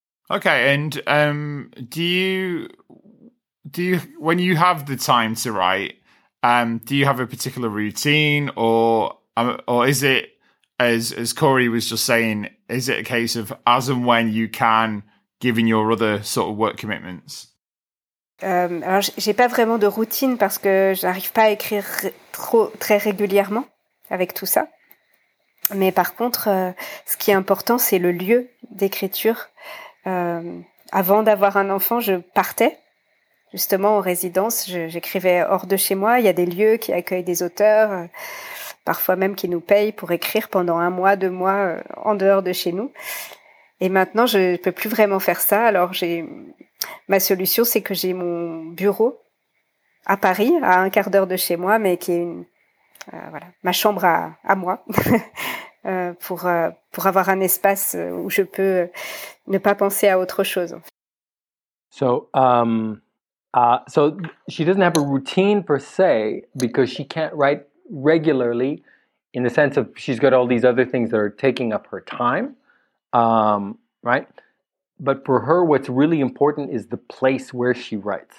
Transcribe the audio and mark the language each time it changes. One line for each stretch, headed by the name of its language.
English: Okay, and do you when you have the time to write, do you have a particular routine or is it as Corey was just saying, is it a case of as and when you can, given your other sort of work commitments?
French: Alors j'ai pas vraiment de routine parce que j'arrive pas à écrire très régulièrement avec tout ça. Mais par contre, ce qui est important, c'est le lieu d'écriture. Avant d'avoir un enfant, je partais justement en résidence. J'écrivais hors de chez moi. Il y a des lieux qui accueillent des auteurs, parfois même qui nous payent pour écrire pendant un mois, deux mois, en dehors de chez nous. Et maintenant, je peux plus vraiment faire ça. Alors, ma solution, c'est que j'ai mon bureau à Paris, à un quart d'heure de chez moi, mais qui est ma chambre à moi, pour avoir un espace où je peux ne pas penser à autre chose.
English: So she doesn't have a routine per se because she can't write regularly, in the sense of she's got all these other things that are taking up her time, right? But for her, what's really important is the place where she writes.